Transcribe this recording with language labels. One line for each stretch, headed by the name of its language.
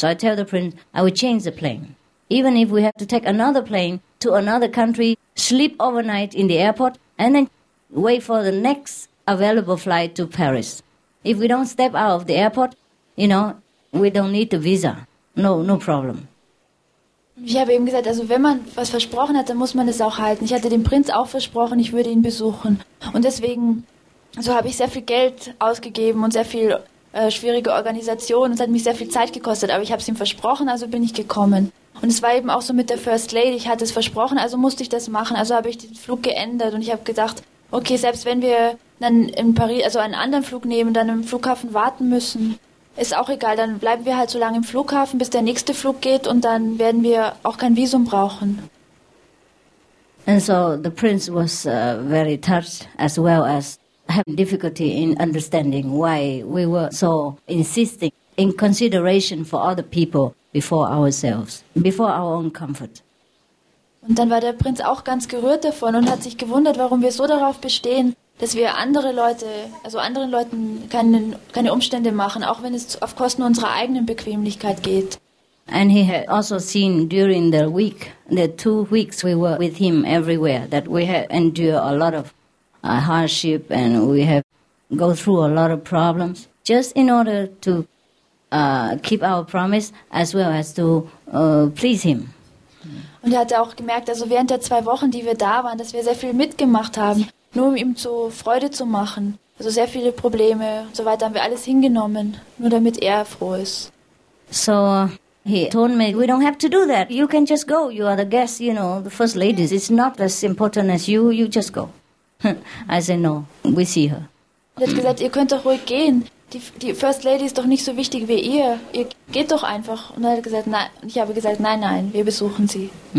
English: So I tell the prince, I will change the plane. Even if we have to take another plane to another country, sleep overnight in the airport, and then wait for the next available flight to Paris. If we don't step out of the airport, you know, we don't need the visa. No problem.
German: Ich habe eben gesagt, also wenn man was versprochen hat, dann muss man es auch halten. Ich hatte dem Prinz auch versprochen, ich würde ihn besuchen. Und deswegen, so habe ich sehr viel Geld ausgegeben und sehr viel schwierige Organisation. Es hat mich sehr viel Zeit gekostet, aber ich habe es ihm versprochen, also bin ich gekommen. Und es war eben auch so mit der First Lady, ich hatte es versprochen, also musste ich das machen. Also habe ich den Flug geändert und ich habe gesagt, okay, selbst wenn wir dann in Paris, also einen anderen Flug nehmen, dann im Flughafen warten müssen, ist auch egal, dann bleiben wir halt so lange im Flughafen, bis der nächste Flug geht und dann werden wir auch kein Visum brauchen.
English: And so the prince was very touched as well as having difficulty in understanding why we were so insisting in consideration for other people. Before ourselves, before our own comfort.
German: Und dann war der Prinz auch ganz gerührt davon und hat sich gewundert, warum wir so darauf bestehen, dass wir anderen Leuten keine Umstände machen, auch wenn es auf Kosten unserer eigenen Bequemlichkeit geht.
English: And he had also seen during the week, the 2 weeks we were with him everywhere, that we had endured a lot of hardship and we have go through a lot of problems just in order to keep our promise as well as to please him.
German: Und er hatte auch gemerkt, also während der 2 Wochen, die wir da waren, dass wir sehr viel mitgemacht haben, nur um ihm zu Freude zu machen. Also sehr viele Probleme und so weiter haben wir alles hingenommen, nur damit er froh ist.
English: So he told me, we don't have to do that. You can just go. You are the guest, you know, the first ladies. It's not as important as you. You just go. I said, no, we see her.
German: Er hat gesagt, ihr könnt doch ruhig gehen. Die First Lady ist doch nicht so wichtig wie ihr. Ihr geht doch einfach. Und er hat gesagt, nein. Ich habe gesagt, nein, nein, wir besuchen sie.